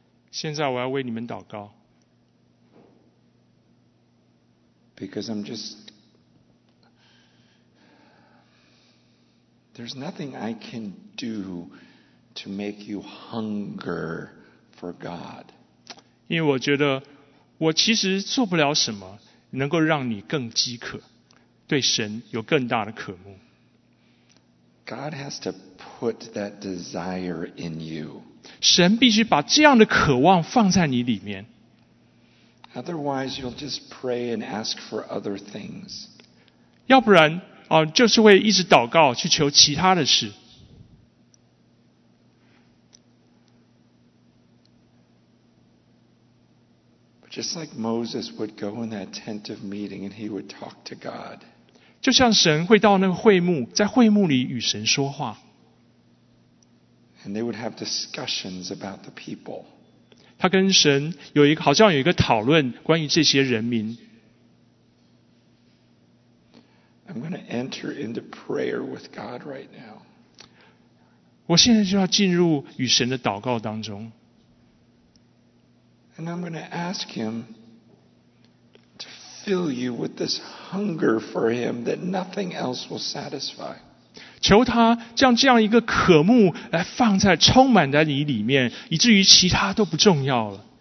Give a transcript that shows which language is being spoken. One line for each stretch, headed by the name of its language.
Chinese: 现在我要为你们祷告。
English: Because I'm just... There's nothing I can do to make you hunger for God.
Chinese: 因为我觉得我其实做不了什么能够让你更饥渴，对神有更大的渴慕。
English: God has to put that desire in you.
Chinese: 神必须把这样的渴望放在你里面。
English: Otherwise, you'll just pray and ask for other things.
Chinese: 要不然，哦，就是会一直祷告去求其他的事。
English: But just like Moses would go in that tent of meeting and he would talk to God.
Chinese: 就像神会到那个会幕，在会幕里与神说话。
English: And they would have discussions about the people.
Chinese: 他跟神有一个好像有一个讨论关于这些人民。
English: I'm going to enter into prayer with God right now.
Chinese: 我现在就要进入与神的祷告当中。
English: And I'm going to ask Him to fill you with this hunger for Him that nothing else will satisfy.
Chinese: 求他将这样一个渴慕来放在充满在你里面，以至于其他都不重要